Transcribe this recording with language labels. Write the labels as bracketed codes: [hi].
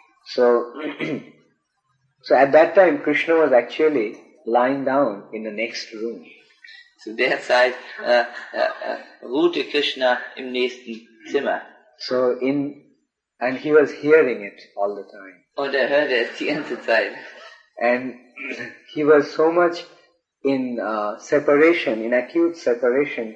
[en] So at that time Krishna was actually lying down in the next room. [de] Zu der Zeit ruhte Krishna im nächsten Zimmer. [en] So in and he was hearing it all the time. [de] Und hörte es die ganze Zeit. [en] And he was so much in separation, in acute separation.